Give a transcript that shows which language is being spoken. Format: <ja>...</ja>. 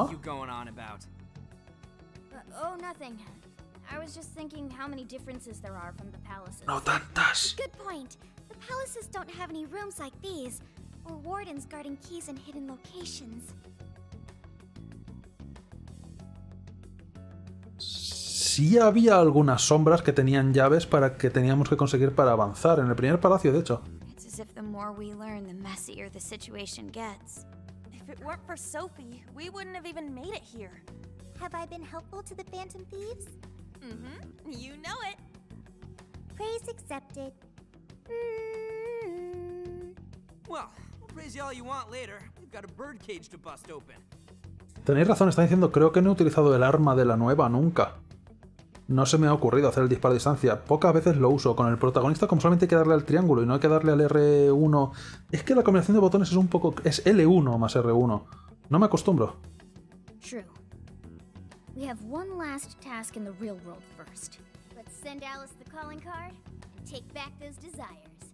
<en>What are you going on about? Oh, nothing. I was just thinking how many differences there are from the palaces.</en> <es>No tantas.</es> <en>Good point. The palaces don't have any rooms like these, or wardens guarding keys in hidden locations.</en> <es>Sí había algunas sombras que tenían llaves para que teníamos que conseguir para avanzar en el primer palacio, de hecho.</es> <en>If the more we learn, the messier the situation gets. If it weren't for Sophie, we wouldn't have even made it here. Have I been helpful to the Phantom Thieves? Mm-hmm. You know it. Praise accepted. Mm-hmm. Well, we'll praise you all you want later. We've got a birdcage to bust open.</en> <es>Tenéis razón, está diciendo, creo que no he utilizado el arma de la nueva nunca. No se me ha ocurrido hacer el disparo a distancia. Pocas veces lo uso con el protagonista, como solamente hay que darle al triángulo y no hay que darle al R1. Es que la combinación de botones es un poco... Es L1 más R1. No me acostumbro.</es> <en>True. We have one last task in the real world first. Let's send Alice the calling card and take back those desires.</en>